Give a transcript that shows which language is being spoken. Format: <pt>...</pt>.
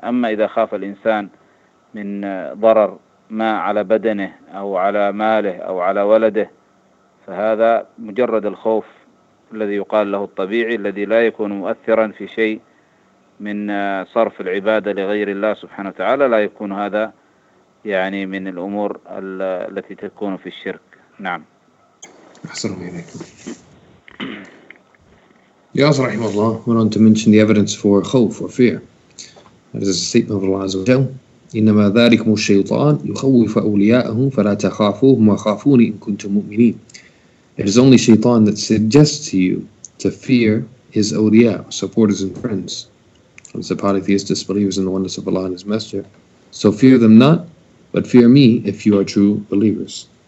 <ar>أما إذا خاف الإنسان من ضرر ما على بدنه أو على ماله أو على ولده، فهذا مجرد الخوف الذي يقال له الطبيعي الذي لا يكون مؤثرا في شيء من صرف العبادة لغير الله سبحانه وتعالى، لا يكون هذا يعني من الأمور التي تكون في الشرك. نعم. أحسنتم إليكم. يا أصر رحمه الله</ar> <en>went on to mention the evidence for خوف or fear. That is a statement of Allah عز وجل.</en> <ar>إنما ذلكم الشيطان يخوف أولياءه فلا تخافوهم وخافون إن كنتم مؤمنين.</ar> <en>It is only Shaitan that suggests to you to fear his awliya, supporters and friends. It's the polytheist disbelievers in the oneness of Allah and His Messenger. So fear them not, but fear me if you are true believers.</en>